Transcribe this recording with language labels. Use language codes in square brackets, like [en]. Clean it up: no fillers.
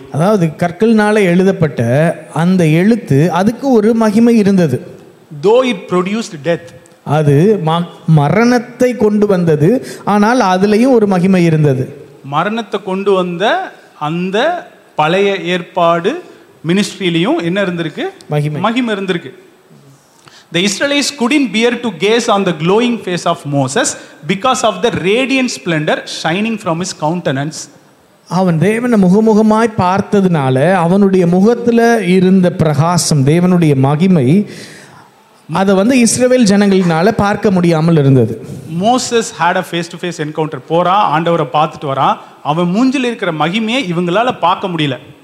[ta] அதாவது கற்களினால எழுதப்பட்ட அந்த எழுத்து அதுக்கு ஒரு மகிமை இருந்தது. [en] though it produced death [ta] அது மரணத்தை கொண்டு வந்தது ஆனால் அதுலயும் ஒரு மகிமை இருந்தது. மரணத்தை கொண்டு வந்த அந்த பழைய ஏற்பாடு மினிஸ்ட்ரியிலையும் என்ன இருந்திருக்கு? மகிமை இருந்திருக்கு. [en] The Israelites couldn't bear to gaze on the glowing face of Moses because of the radiant splendor shining from his countenance. [ta] அவன் தேவனை முகமுகமாய் பார்த்ததுனால அவனுடைய முகத்துல இருந்த பிரகாசம் தேவனுடைய மகிமை அதை வந்து இஸ்ரவேல் ஜனங்களினால பார்க்க முடியாமல் இருந்தது. Moses [en] had a face to face encounter [ta] போறா ஆண்டவரை பார்த்துட்டு வரா அவன் மூஞ்சில் இருக்கிற மகிமையை இவங்களால பார்க்க முடியல.